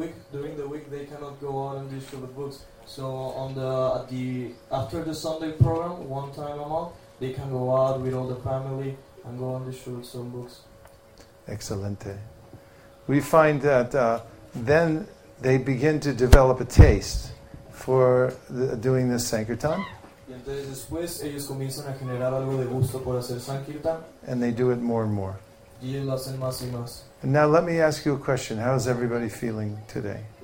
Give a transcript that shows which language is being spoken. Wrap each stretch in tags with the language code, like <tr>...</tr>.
<en>During the week they cannot go out and distribute books. So on the after the Sunday program, one time a month, they can go out with all the family and go and distribute some books.</en> <es>Excelente.</es> <en>We find that then they begin to develop a taste for doing the Sankirtan.</en> <es>Y entonces después ellos comienzan a generar algo de gusto por hacer Sankirtan.</es> <en>And they do it more and more.</en> <es>Y lo hacen más y más.</es> <en>And now let me ask you a question. How is everybody feeling today?</en>